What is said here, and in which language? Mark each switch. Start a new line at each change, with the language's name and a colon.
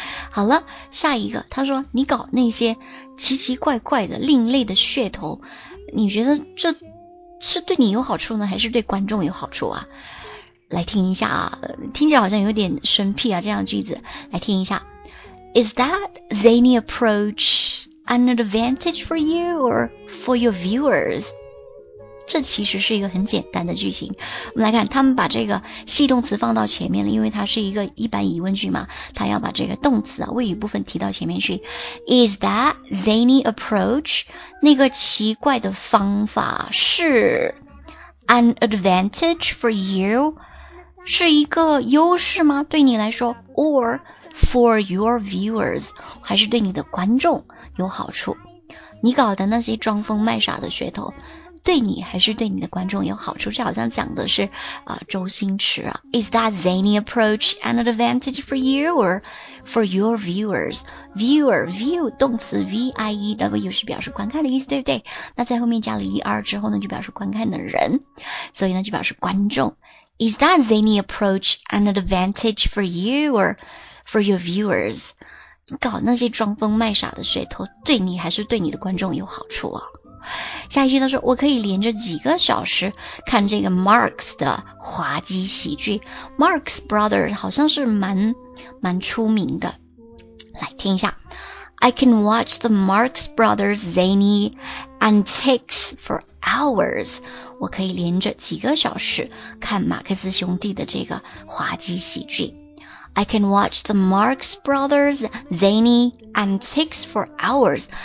Chinese: 好了，下一个他说你搞那些奇奇怪怪的另类的噱头，你觉得这是对你有好处呢还是对观众有好处啊？来听一下啊，听起来好像有点生僻啊，这样的句子来听一下。
English: Is that zany approachan advantage for you or for your viewers?
Chinese: 这其实是一个很简单的句型。我们来看，他们把这个系动词放到前面了，因为它是一个一般疑问句嘛，他要把这个动词啊谓语部分提到前面去。
English: Is that zany approach?
Chinese: 那个奇怪的方法是
English: an advantage for you?
Chinese: 是一个优势吗？对你来说 ,
English: or for your viewers?
Chinese: 还是对你的观众有好处，你搞的那些装疯卖傻的噱头对你还是对你的观众有好处，这好像讲的是周星驰啊。
English: Is that zany approach an advantage for you or for your viewers?
Chinese: Viewer, view, 动词 V-I-E-W 是表示观看的意思，对不对？那在后面加了 ER 之后呢就表示观看的人，所以呢就表示观众。
English: Is that zany approach an advantage for you or for your viewers?
Chinese: 搞那些装疯卖傻的噱头对你还是对你的观众有好处啊。下一句他说我可以连着几个小时看这个 Marx 的滑稽喜剧。 Marx Brother 好像是蛮出名的，来听一下。
English: I can watch the Marx Brothers zany antics for hours.
Chinese: 我可以连着几个小时看马克思兄弟的这个滑稽喜剧。
English: I can watch the Marx Brothers zany antics for hours.